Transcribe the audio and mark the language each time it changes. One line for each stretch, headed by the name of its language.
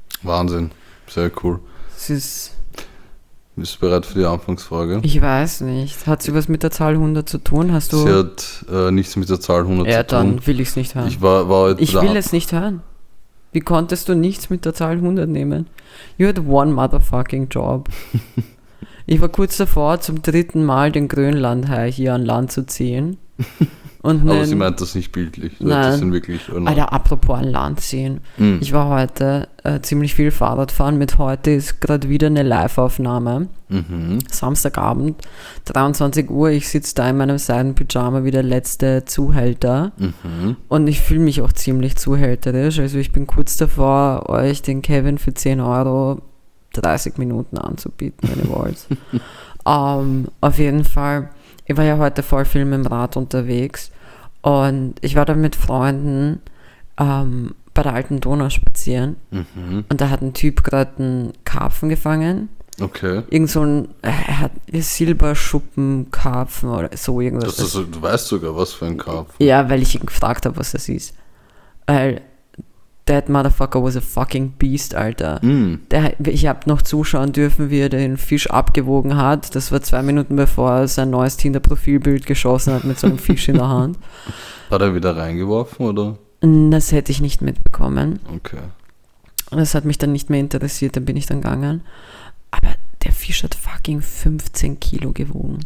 German: Wahnsinn. Sehr cool. Bist du bereit für die Anfangsfrage? Ich weiß nicht. Hat sie was mit der Zahl 100 zu tun? Hast du? Sie hat nichts mit der Zahl 100 zu tun. Ja, dann will ich es nicht hören. Ich will es nicht hören. Wie konntest du nichts mit der Zahl 100 nehmen?
English: You had one motherfucking job.
German: Ich war kurz davor, zum dritten Mal den Grönlandhai hier an Land zu ziehen. Und aber sie meint das nicht bildlich. Nein. Das sind wirklich Alter, apropos an Land ziehen. Hm. Ich war heute ziemlich viel Fahrrad fahren. Mit heute ist gerade wieder eine Live-Aufnahme. Mhm. Samstagabend, 23 Uhr. Ich sitze da in meinem Seidenpyjama wie der letzte Zuhälter. Mhm. Und ich fühle mich auch ziemlich zuhälterisch. Also ich bin kurz davor, euch den Kevin für 10 Euro 30 Minuten anzubieten, wenn ihr wollt. auf jeden Fall... Ich war ja heute voll viel mit dem Rad unterwegs und ich war da mit Freunden bei der Alten Donau spazieren und da hat ein Typ gerade einen Karpfen gefangen. Okay. Irgend so ein, er hat Silberschuppenkarpfen oder so irgendwas. Du weißt sogar, was für ein Karpfen. Ja, weil ich ihn gefragt habe, was das ist.
English: Weil that motherfucker was a fucking beast, Alter. Mm.
German: Ich hab noch zuschauen dürfen, wie er den Fisch abgewogen hat. Das war 2 Minuten, bevor er sein neues Tinder-Profilbild geschossen hat mit so einem Fisch in der Hand. Hat er wieder reingeworfen, oder? Das hätte ich nicht mitbekommen. Okay. Das hat mich dann nicht mehr interessiert, dann bin ich dann gegangen. Aber der Fisch hat fucking 15 Kilo gewogen.